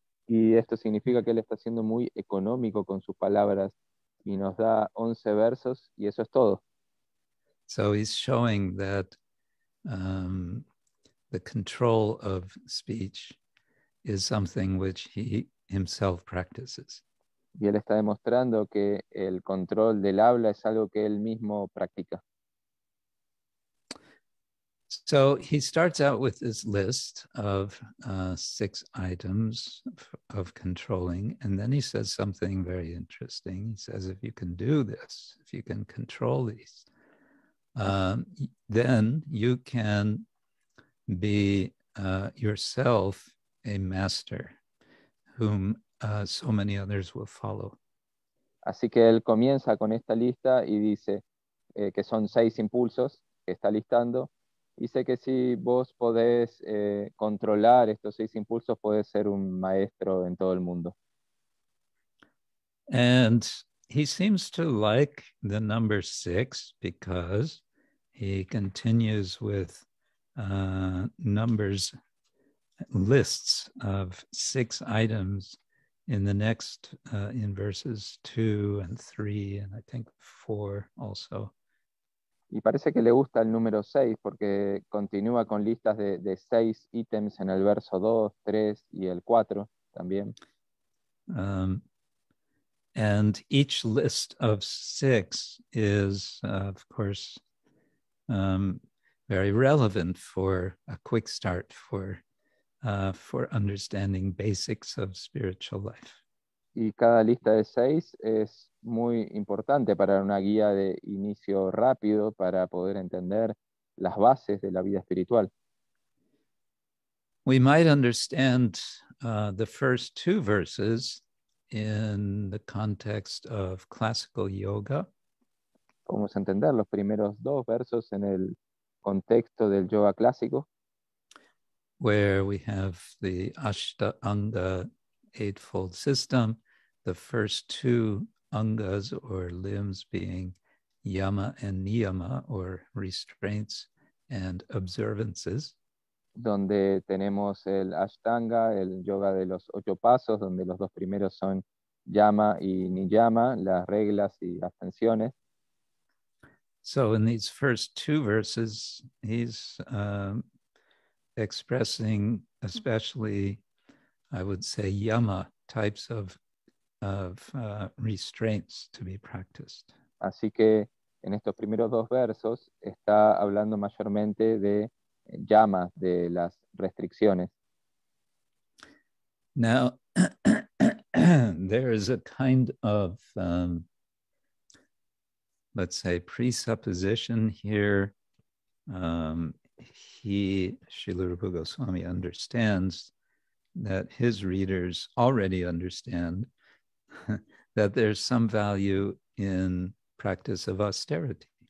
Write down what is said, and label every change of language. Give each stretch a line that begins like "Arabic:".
Spanish: Y esto significa que él está siendo muy económico con sus palabras, y nos da 11 versos, y eso es todo.
English: So he's showing that the control of speech is something which he himself practices.
Spanish: Y él está demostrando que el control del habla es algo que él mismo practica.
English: So he starts out with this list of 6 items of controlling, and then he says something very interesting. He says, if you can do this, if you can control these, then you can be yourself a master whom so many others will follow.
Spanish: Así que él comienza con esta lista y dice que son 6 impulsos que está listando. Dice que si vos podés controlar estos 6 impulsos, podés ser un maestro en todo el mundo.
English: And he seems to like the number 6 because he continues with numbers, lists of 6 items in the next, in verses 2 and 3, and I think 4 also.
Spanish: Y parece que le gusta el número 6 porque continúa con listas de 6 ítems en el verso 2, 3 y el 4 también.
English: And each list of 6 is, of course, very relevant for a quick start for understanding basics of spiritual life.
Spanish: Y cada lista de 6 es muy importante para una guía de inicio rápido para poder entender las bases de la vida espiritual.
English: We might understand the first 2 verses in the context of classical yoga.
Spanish: Podemos entender los primeros 2 versos en el contexto del yoga clásico.
English: Where we have the Ashtanga Eightfold System, the first 2 angas or limbs being yama and niyama or restraints and observances.
Spanish: Donde tenemos el Ashtanga, el yoga de los 8 pasos, donde los 2 primeros son yama y niyama, las reglas y abstenciones.
English: So in these first two verses, he's expressing especially, I would say, yama types of restraints to be practiced.
Spanish: Así que en estos primeros dos versos está hablando mayormente de llamas, de las restricciones.
English: Now, there is a kind of, let's say, presupposition here. Srila Rupa Goswami understands that his readers already understand that there's some value in practice of austerity.